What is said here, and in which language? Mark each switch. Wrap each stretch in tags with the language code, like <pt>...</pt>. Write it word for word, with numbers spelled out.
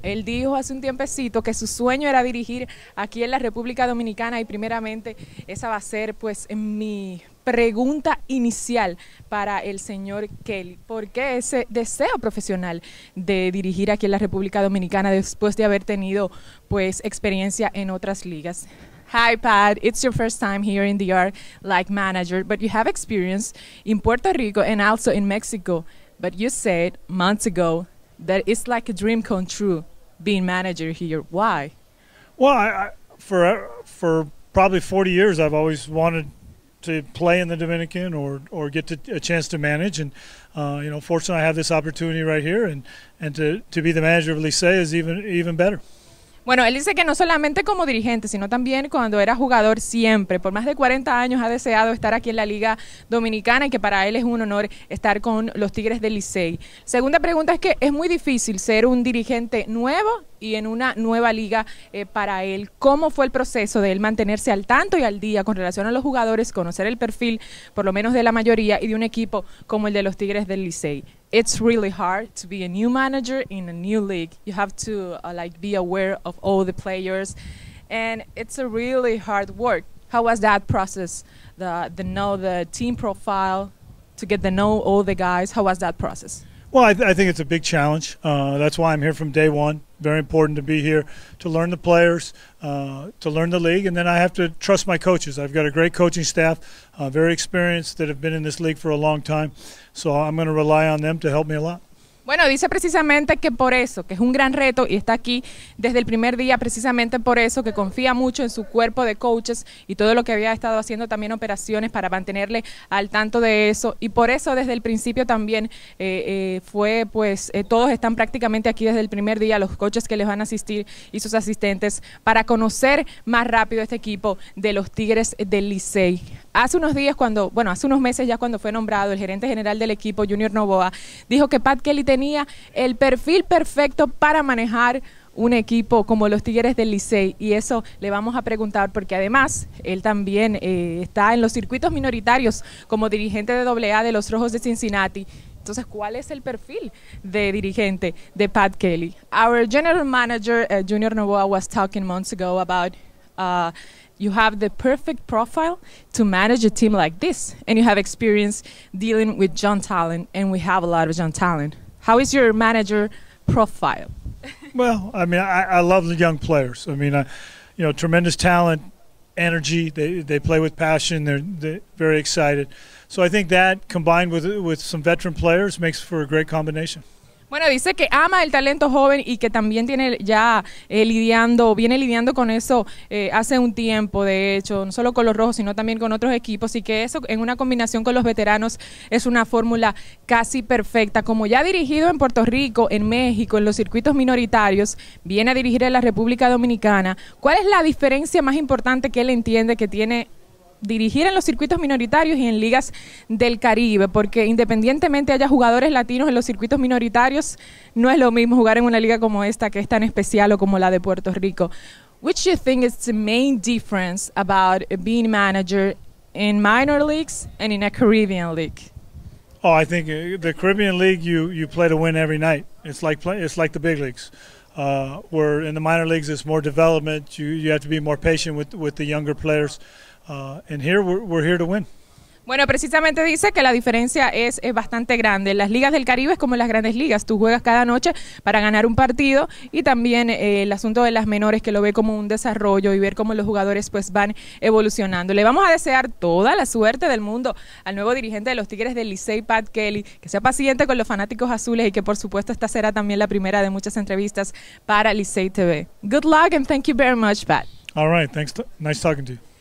<es>Él dijo hace un tiempecito que su sueño era dirigir aquí en la República Dominicana y primeramente esa va a ser pues mi pregunta inicial para el señor Kelly. ¿Por qué ese deseo profesional de dirigir aquí en la República Dominicana después de haber tenido pues experiencia en otras ligas?</es> <en>Hi Pat, it's your first time here in the yard like manager, but you have experience in Puerto Rico and also in Mexico. But you said months ago that it's like a dream come true being manager here. Why? Well, I, I, for for probably forty years I've always wanted to play in the Dominican or or get to, a chance to manage, and uh, you know, fortunately I have this opportunity right here, and and to to be the manager of Licey is even even better.</en> <es>Bueno, él dice que no solamente como dirigente, sino también cuando era jugador siempre. Por más de cuarenta años ha deseado estar aquí en la Liga Dominicana y que para él es un honor estar con los Tigres del Licey. Segunda pregunta es que es muy difícil ser un dirigente nuevo y en una nueva liga eh, para él. ¿Cómo fue el proceso de él mantenerse al tanto y al día con relación a los jugadores, conocer el perfil, por lo menos de la mayoría, y de un equipo como el de los Tigres del Licey?</es> <en>It's really hard to be a new manager in a new league. You have to uh, like be aware of all the players, and it's a really hard work. How was that process? The the know the team profile, to get to know all the guys. How was that process? Well, I, th- I think it's a big challenge. Uh, that's why I'm here from day one. Very important to be here to learn the players, uh, to learn the league, and then I have to trust my coaches. I've got a great coaching staff, uh, very experienced, that have been in this league for a long time, so I'm going to rely on them to help me a lot.</en> <es>Bueno, dice precisamente que por eso, que es un gran reto y está aquí desde el primer día, precisamente por eso, que confía mucho en su cuerpo de coaches y todo lo que había estado haciendo también operaciones para mantenerle al tanto de eso, y por eso desde el principio también eh, eh, fue pues eh, todos están prácticamente aquí desde el primer día, los coaches que les van a asistir y sus asistentes, para conocer más rápido este equipo de los Tigres del Licey. Hace unos días cuando, bueno, hace unos meses ya cuando fue nombrado el gerente general del equipo, Junior Novoa, dijo que Pat Kelly tenía tenía el perfil perfecto para manejar un equipo como los Tigres del Licey, y eso le vamos a preguntar porque además él también eh, está en los circuitos minoritarios como dirigente de doble A de los Rojos de Cincinnati. Entonces, ¿cuál es el perfil de dirigente de Pat Kelly?</es> <en>Our general manager uh, Junior Novoa was talking months ago about uh, you have the perfect profile to manage a team like this, and you have experience dealing with young talent, and we have a lot of young talent. How is your manager profile? Well, I mean, I, I love the young players. I mean, I, you know, tremendous talent, energy. They they play with passion. They're, they're very excited. So I think that combined with with some veteran players makes for a great combination.</en> <es>Bueno, dice que ama el talento joven y que también tiene ya eh, lidiando, viene lidiando con eso eh, hace un tiempo, de hecho, no solo con los Rojos, sino también con otros equipos, y que eso en una combinación con los veteranos es una fórmula casi perfecta. Como ya ha dirigido en Puerto Rico, en México, en los circuitos minoritarios, viene a dirigir en la República Dominicana. ¿Cuál es la diferencia más importante que él entiende que tiene dirigir en los circuitos minoritarios y en ligas del Caribe? Porque independientemente haya jugadores latinos en los circuitos minoritarios, no es lo mismo jugar en una liga como esta, que es tan especial, o como la de Puerto Rico.</es> <en>Which do you think is the main difference about being manager in minor leagues and in a Caribbean league? Oh, I think the Caribbean league you you play to win every night. It's like play, it's like the big leagues. Uh, where in the minor leagues it's more development. You you have to be more patient with with the younger players. Uh, and here we're, we're here to win.</en> <es>Bueno, precisamente dice que la diferencia es, es bastante grande. Las ligas del Caribe es como las grandes ligas. Tú juegas cada noche para ganar un partido, y también eh, el asunto de las menores, que lo ve como un desarrollo y ver cómo los jugadores pues van evolucionando. Le vamos a desear toda la suerte del mundo al nuevo dirigente de los Tigres del Licey, Pat Kelly, que sea paciente con los fanáticos azules y que por supuesto esta será también la primera de muchas entrevistas para Licey T V.</es> <en>Good luck and thank you very much, Pat. All right, thanks. T- nice talking to you.</en>